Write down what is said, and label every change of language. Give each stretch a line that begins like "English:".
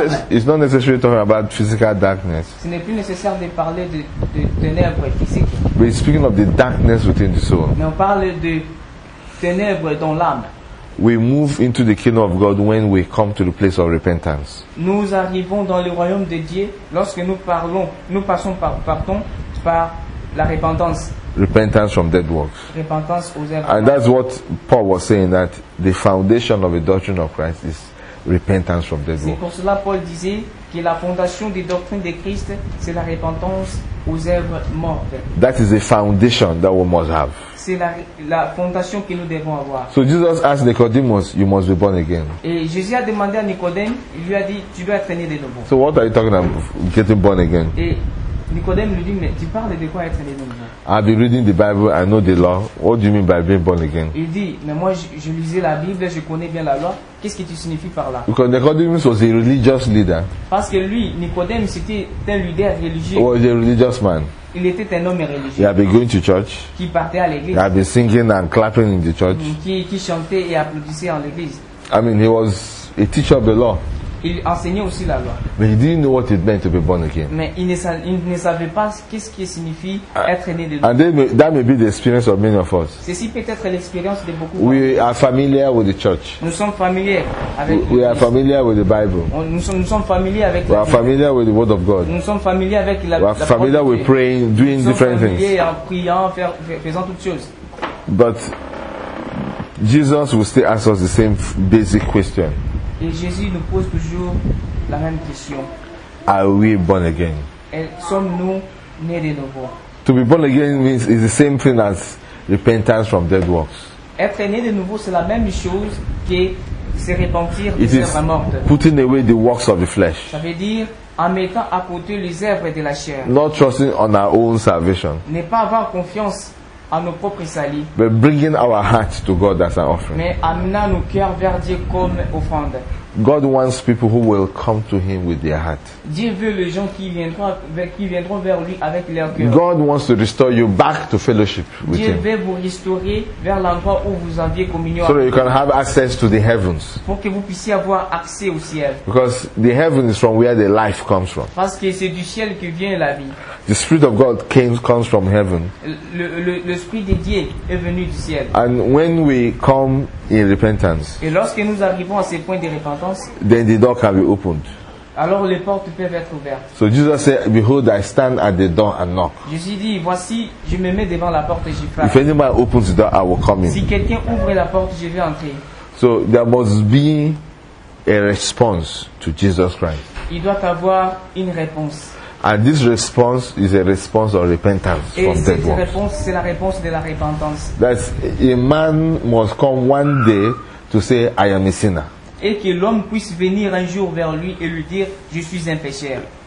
English: It's not necessary to talk about physical darkness.
French: Ce n'est plus nécessaire de parler de ténèbres physiques.
English: But it's speaking of the darkness within the soul.
French: Mais on parle de ténèbres dans l'âme.
English: We move into the kingdom of God when we come to the place of repentance.
French: Nous arrivons dans le royaume de Dieu lorsque nous passons par la repentance.
English: Repentance from dead works.
French: Repentance aux œuvres.
English: And that's what Paul was saying, that the foundation of the doctrine of Christ is repentance from dead works.
French: C'est pour cela Paul disait que la fondation des doctrines de Christ c'est la repentance aux œuvres mortes.
English: That is the foundation that we must have.
French: C'est la fondation que nous devons avoir.
English: So Jesus asked Nicodemus, "You must be born again."
French: Et Jésus a demandé à Nicodème, il lui a dit, tu dois être né de nouveau.
English: So what are you talking about, getting born again?
French: Et Nicodème lui dit, mais tu parles de quoi être né de nouveau?
English: I've been reading the Bible, I know the law. What do you mean by being born again?
French: Il dit, mais moi je lisais la Bible, je connais bien la loi. Qu'est-ce que tu signifies par là?
English: Because Nicodemus was a religious leader.
French: Parce que lui, Nicodème, c'était un leader religieux.
English: He was a religious man.
French: Il était un homme religieux.
English: He had been going to church.
French: Qui partait à l'église.
English: He had been singing and clapping in the church.
French: Qui chantait et applaudissait en l'église.
English: I mean, he was a teacher of the law.
French: Il enseignait aussi la loi.
English: But he didn't know what it meant to be born again.
French: Mais il ne savait pas qu'est-ce qui signifie être né de nouveau.
English: And that may be the experience of many of us.
French: Ceci peut être l'expérience de beaucoup.
English: We are familiar with the church.
French: Nous sommes familiers avec.
English: We are familiar with the Bible.
French: Nous sommes familiers avec.
English: We are familiar with the Word of God.
French: Nous sommes familiers avec la.
English: We are familiar with praying, doing different things.
French: Nous sommes familiers en priant, faisant toutes choses.
English: But Jesus will still ask us the same basic question.
French: Et Jésus nous pose toujours la même question.
English: Are we born again?
French: Et sommes-nous nés de nouveau?
English: To be born again means it's the same thing as repentance from dead works.
French: Être né de nouveau, c'est la même chose que se repentir des œuvres mortes.
English: Putting away the works of the flesh.
French: Ça veut dire en mettant à côté les œuvres de la chair.
English: Not trusting on our own salvation.
French: Ne pas avoir confiance à nos propres salis.
English: But bringing our hearts to God as an offering.
French: Mais amenant nos cœurs vers Dieu comme offrande.
English: God wants people who will come to Him with their heart.
French: Dieu veut les gens qui viendront vers lui avec leur cœur.
English: God wants to restore you back to fellowship with
French: Dieu
English: Him.
French: Dieu veut vous restaurer vers l'endroit où vous aviez communion.
English: So that you can have access to the heavens.
French: Pour que vous puissiez avoir accès au ciel.
English: Because the heaven is from where the life comes from.
French: Parce que c'est du ciel que vient la vie.
English: The Spirit of God comes from heaven.
French: L'esprit de Dieu est venu du ciel.
English: And when we come in repentance.
French: Et lorsque nous arrivons à ce point de repentance,
English: then the door can be opened.
French: Alors les portes peuvent être ouvertes.
English: So Jesus said, "Behold, I stand at the door and knock."
French: Jésus dit, voici, je me mets devant la porte et je frappe.
English: If anyone opens the door, I will come in.
French: Si quelqu'un ouvre la porte, je vais entrer.
English: So there must be a response to Jesus Christ.
French: Il doit avoir une réponse.
English: And this response is a response of repentance
French: et
English: from dead works.
French: Réponse, c'est la réponse de la repentance.
English: That a man must come one day to say, "I am a sinner."
French: Et que l'homme puisse venir un jour vers lui et lui dire, "Je suis un pécheur."